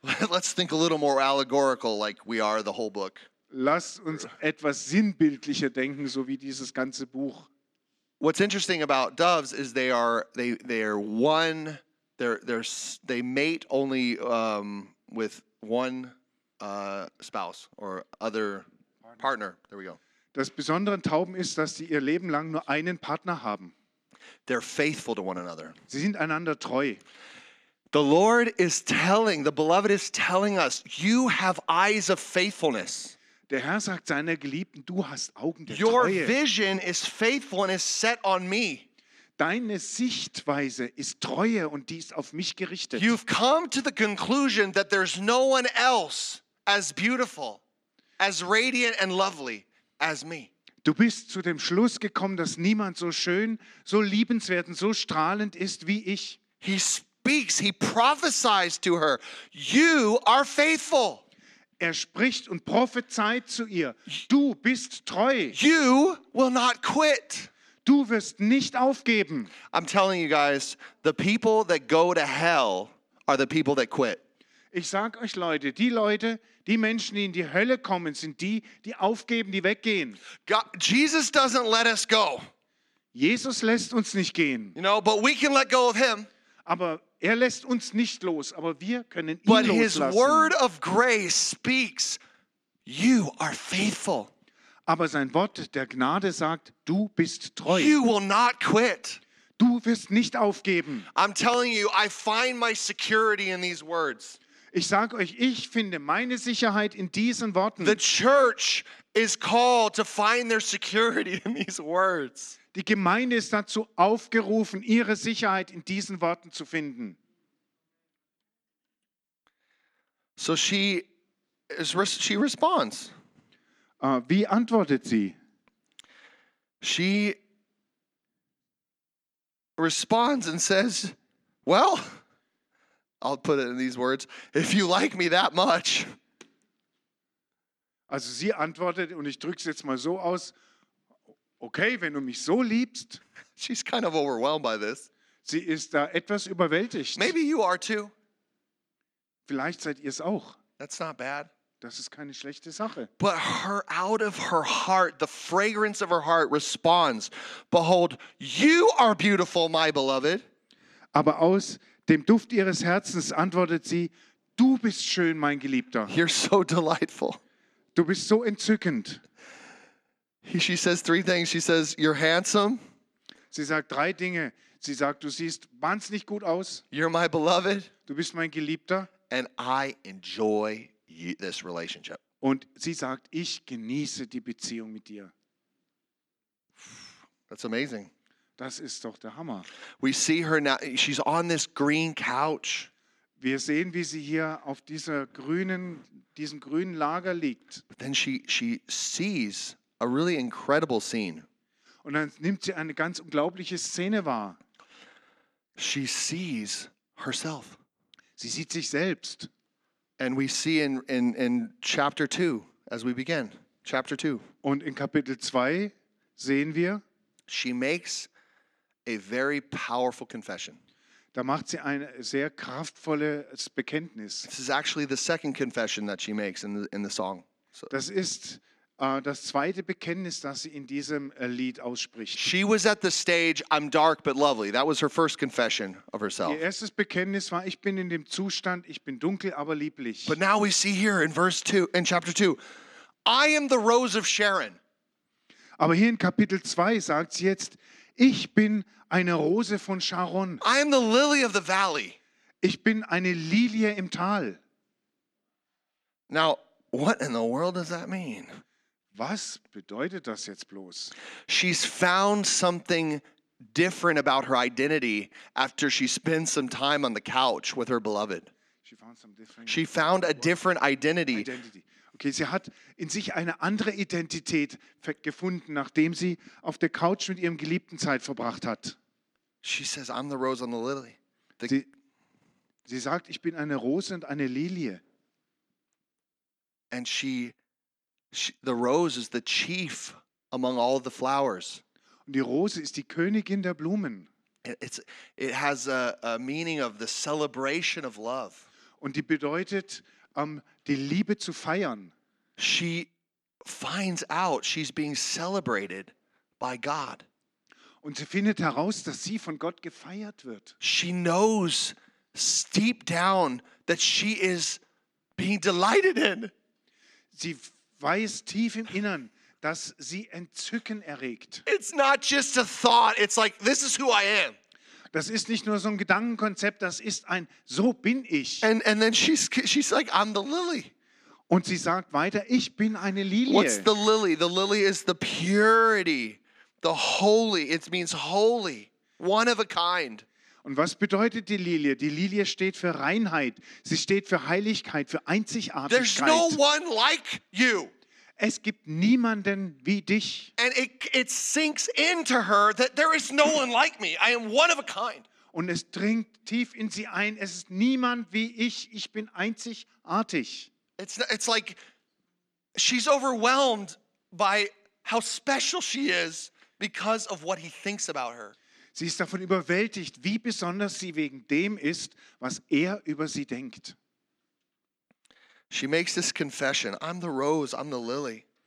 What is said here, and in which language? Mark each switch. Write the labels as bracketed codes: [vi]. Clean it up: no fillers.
[en] Let's think a little more allegorical, like we are the whole book. [de] Lass uns etwas sinnbildlicher denken, so wie dieses ganze Buch. [en] What's interesting about doves is they mate only with one spouse or other partner. There we go. [de] Das Besondere an Tauben ist, dass sie ihr Leben lang nur einen Partner haben. [en] They're faithful to one another. [de] Sie sind einander treu. [en] The Lord is telling, the beloved is telling us, you have eyes of faithfulness. [de] Der Herr sagt seiner Geliebten, du hast Augen der [en] Your [de] Treue. [en] Your vision is faithful and is set on me. [de] Deine Sichtweise ist Treue und die ist auf mich gerichtet. [en] You've come to the conclusion that there's no one else as beautiful, as radiant and lovely as me. [de] Du bist zu dem Schluss gekommen, dass niemand so schön, so liebenswert und so strahlend ist wie ich. [en] He speaks, he prophesies to her. You are faithful. [de] Er spricht und prophezeit zu ihr. Du bist treu. [en] You will not quit. [de] Du wirst nicht aufgeben. [en] I'm telling you guys, the people that go to hell are the people that quit. [de] Ich sag euch Leute, die Leute, die Menschen, die in die Hölle kommen, sind die, die aufgeben, die weggehen. [en] God, Jesus doesn't let us go. [de] Jesus lässt uns nicht gehen. [en] You know, but we can let go of him. [de] Aber er lässt uns nicht los, aber wir können ihn [en] but [de] loslassen. [en] His word of grace speaks, you are faithful. [de] Aber sein Wort der Gnade sagt, du bist treu. [en] You will not quit. [de] Du wirst nicht aufgeben. [en] I'm telling you, I find my security in these words. [de] Ich sage euch, ich finde meine Sicherheit in diesen Worten. [en] The church is called to find their security in these words. [de] Die Gemeinde ist dazu aufgerufen, ihre Sicherheit in diesen Worten zu finden. [en] So she responds. [de] Wie antwortet sie? [en] She responds and says, well, I'll put it in these words, if you like me that much. [de] Also sie antwortet, und ich drücke es jetzt mal so aus, okay, wenn du mich so liebst. [en] She's kind of overwhelmed by this. [de] Sie ist da etwas überwältigt. [en] Maybe you are too. [de] Vielleicht seid ihr es auch. [en] That's not bad. [de] Das ist keine schlechte Sache. [en] But her, out of her heart, the fragrance of her heart responds, behold, you are beautiful, my beloved. [de] Aber aus dem Duft ihres Herzens antwortet sie, du bist schön, mein Geliebter. [en] You're so delightful. [de] Du bist so entzückend. [en] She says three things. She says, you're handsome. [de] Sie sagt drei Dinge. Sie sagt, du siehst wahnsinnig gut aus. [en] You're my beloved. [de] Du bist mein Geliebter. [en] And I enjoy this relationship. [de] Und sie sagt, ich genieße die Beziehung mit dir. [en] That's amazing. [de] Das ist doch der Hammer. [en] We see her now, she's on this green couch. [de] Wir sehen, wie sie hier auf diesem grünen Lager liegt. [en] But then she sees a really incredible scene. [de] Und dann nimmt sie eine ganz unglaubliche Szene wahr. [en] She sees herself. [de] Sie sieht sich selbst. [en] And we see in chapter 2 as we begin chapter 2 [de] und in Kapitel 2 sehen wir, [en] she makes a very powerful confession. [de] Da macht sie ein sehr kraftvolles Bekenntnis. [en] This is actually the second confession that she makes in the song. [de] So das ist das zweite Bekenntnis, das sie in diesem Lied ausspricht. [en] She was at the stage, I'm dark but lovely. That was her first confession of herself. [de] Ihr erstes Bekenntnis war, ich bin in dem Zustand, ich bin dunkel, aber lieblich. [en] But now we see here in verse 2, in chapter 2, I am the rose of Sharon. [de] Aber hier in Kapitel 2 sagt sie jetzt, ich bin eine Rose von Sharon. [en] I am the lily of the valley. [de] Ich bin eine Lilie im Tal. [en] Now, what in the world does that mean? [de] Was bedeutet das jetzt bloß? [en] She's found something different about her identity after she spends some time on the couch with her beloved. She found a different identity. [de] Okay, sie hat in sich eine andere Identität gefunden, nachdem sie auf der Couch mit ihrem Geliebten Zeit verbracht hat. [en] She says, I'm the rose and the lily. [de] Sie sagt, ich bin eine Rose und eine Lilie. [en] And the rose is the chief among all the flowers. [de] Und die Rose ist die Königin der Blumen. [en] It has a meaning of the celebration of love. [de] Und die bedeutet, die Liebe zu feiern. [en] She finds out she's being celebrated by God. [de] Und sie findet heraus, dass sie von Gott gefeiert wird. [en] She knows deep down that she is being delighted in. [de] Sie weiß tief im Innern, dass sie Entzücken erregt. [en] It's not just a thought. It's like, this is who I am. [de] Das ist nicht nur so ein Gedankenkonzept. Das ist ein, so bin ich. [en] And then she's like, I'm the lily. [de] Und sie sagt weiter, ich bin eine Lilie. [en] What's the lily? The lily is the purity, the holy. It means holy. One of a kind. [de] Und was bedeutet die Lilie? Die Lilie steht für Reinheit. Sie steht für Heiligkeit, für Einzigartigkeit. [en] There's no one like you. [de] Es gibt niemanden wie dich. [en] And it sinks into her that there is no one like me. I am one of a kind. [de] Und es dringt tief in sie ein. Es ist niemand wie ich. Ich bin einzigartig. [en] It's like she's overwhelmed by how special she is because of what he thinks about her. [de] Sie ist davon überwältigt, wie besonders sie wegen dem ist, was über sie denkt. [en] She makes this confession, I'm the rose, I'm the lily.